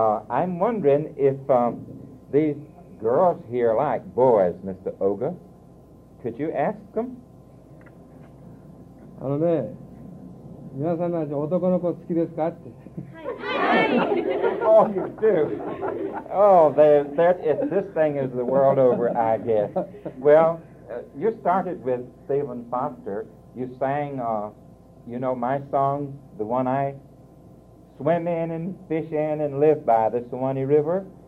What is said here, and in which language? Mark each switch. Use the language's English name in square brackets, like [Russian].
[English] I'm wondering if these girls here like boys, Mr. Oga. Could you ask them? [Japanese] あのね、皆さんの男の子好きですかって。 [English] Oh, you do. Oh, if this thing is the world over, I guess. Well, you started with Stephen Foster. You sang, you know, my song, the one I swim in and fish in and live by, the Suwannee River.